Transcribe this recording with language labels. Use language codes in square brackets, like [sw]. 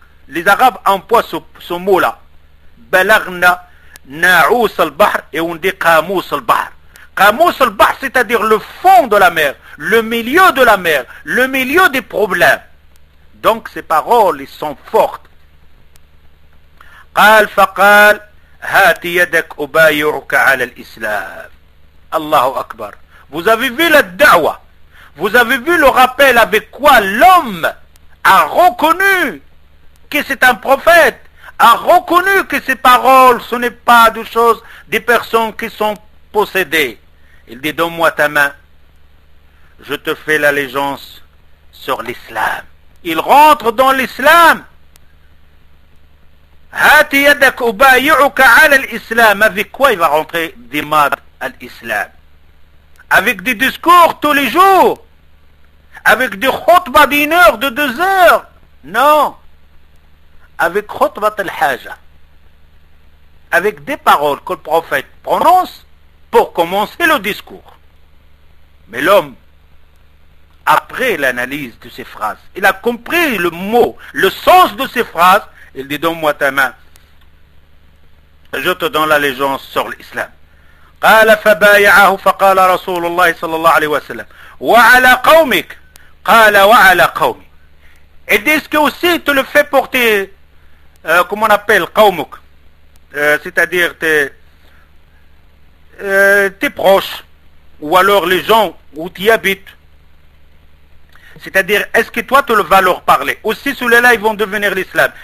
[fr] Les Arabes emploient ce mot-là. [ar] بَلَغْنَا نَعُوسَ الْبَحْرِ. [fr] Et on dit [ar] قَامُوسَ الْبَحْرِ. [fr] قَامُوسَ الْبَحْرِ, c'est-à-dire le fond de la mer, le milieu de la mer, le milieu des problèmes. Donc, ces paroles, elles sont fortes. [ar] قال فقال هات يدك أبايعك على الإسلام. الله أكبر. Vous avez vu la da'wa. [fr] Vous avez vu le rappel avec quoi l'homme a reconnu que c'est un prophète, a reconnu que ses paroles, ce n'est pas de choses des personnes qui sont possédées. Il dit, donne-moi ta main, je te fais l'allégeance sur l'islam. Il rentre dans l'islam. [ar] هاتي يدك أبايعك على الإسلام. [fr] Avec quoi il va rentrer Zimad à l'islam? Avec des discours tous les jours, avec des khutbah d'une heure, de deux heures? Non, avec khutbah al-haja, avec des paroles que le prophète prononce pour commencer le discours. Mais l'homme, après l'analyse de ses phrases, il a compris le mot, le sens de ses phrases. Il dit, donne-moi ta main, je te donne l'allégeance sur l'islam. [ar] قال فبايعه فقال رسول الله صلى الله عليه وسلم وعلى قومك. قال وعلى قومي. [fr] Il dit, est-ce que aussi tu le fais pour tes comment on appelle قومك, c'est-à-dire tes proches, ou alors les gens où tu habites. C'est-à-dire, est-ce que toi, tu vas leur parler? Aussi, ceux-là, ils vont devenir l'islam.